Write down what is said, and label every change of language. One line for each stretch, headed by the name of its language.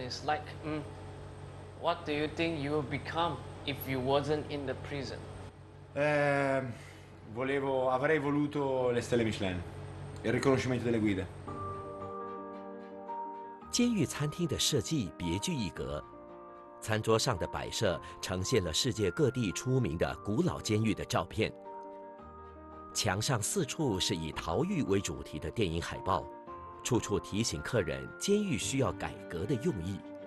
English: It's like, what do you think you would become if you wasn't in the prison?
Italian: Avrei voluto le stelle Michelin, il riconoscimento delle guide.
Chinese: 监狱餐厅的设计别具一格，餐桌上的摆设呈现了世界各地出名的古老监狱的照片。墙上四处是以逃狱为主题的电影海报，处处提醒客人监狱需要改革的用意。